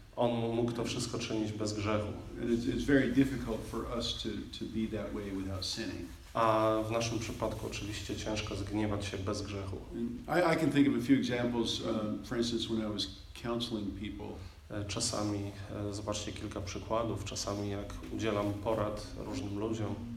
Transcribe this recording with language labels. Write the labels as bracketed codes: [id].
[pl] On mógł to wszystko czynić bez grzechu. [en] And it's very difficult for us to be that way without sinning. [pl] A w naszym przypadku oczywiście ciężko zgniewać się bez grzechu. [en] I can think of a few examples, for instance, when I was counseling people. [pl] Czasami, zobaczcie kilka przykładów, czasami jak udzielam porad różnym ludziom.